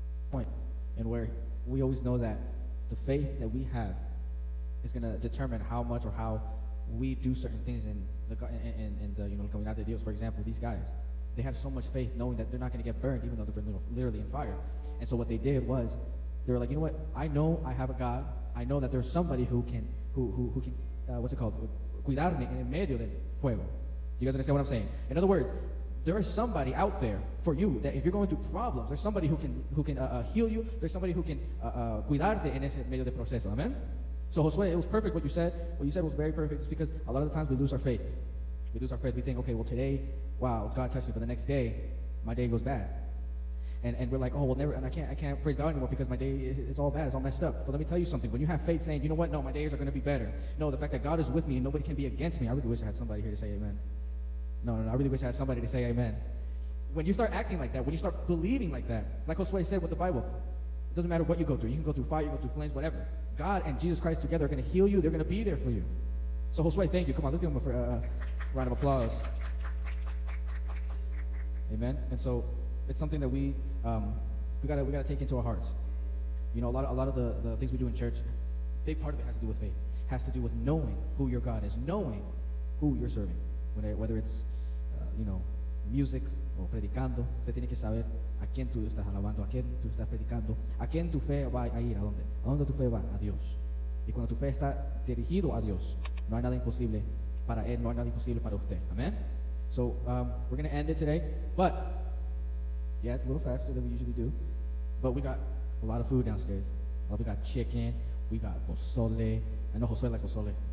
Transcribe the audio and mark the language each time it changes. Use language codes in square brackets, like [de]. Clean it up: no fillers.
[en] point, and where we always know that the faith that we have is going to determine how much or how we do certain things in the you know, coming out of the deals. For example, these guys, they had so much faith knowing that they're not going to get burned, even though they're literally in fire. And so what they did was, they were like, you know what? I know I have a God. I know that there's somebody who can what's it called? [es] Cuidarme en medio del fuego. [en] You guys understand what I'm saying? In other words, there is somebody out there for you that if you're going through problems, there's somebody who can heal you. There's somebody who can [es] cuidarte en ese medio del proceso. [en] Amen? So Josue, it was perfect what you said. What you said was very perfect. It's because a lot of the times we lose our faith. We lose our faith. We think, okay, well today, wow, God touched me. But the next day, my day goes bad. And we're like, oh, well never, and I can't praise God anymore because my day is all bad. It's all messed up. But let me tell you something. When you have faith saying, you know what? No, my days are going to be better. No, the fact that God is with me and nobody can be against me. I really wish I had somebody here to say amen. No, I really wish I had somebody to say amen. When you start acting like that, when you start believing like that, like Josue said with the Bible, it doesn't matter what you go through. You can go through fire, you can go through flames, whatever. God and Jesus Christ together are going to heal you. They're going to be there for you. So Josue, thank you. Come on, let's give him a round of applause. Amen. And so it's something that we gotta take into our hearts. You know, a lot of the things we do in church, big part of it has to do with faith. Has to do with knowing who your God is, knowing who you're serving. Whether it's music or [es] predicando, usted tiene que saber a quién tú estás alabando, a quién tú estás predicando, a quién tu fe va a ir, a dónde tu fe va, a Dios. Y cuando tu fe está dirigido a Dios, no hay nada imposible para él, no hay nada imposible para usted. Amen. [en] So we're gonna end it today, but yeah, it's a little faster than we usually do, but we got a lot of food downstairs. Well, we got chicken, we got pozole. I know Josue likes pozole.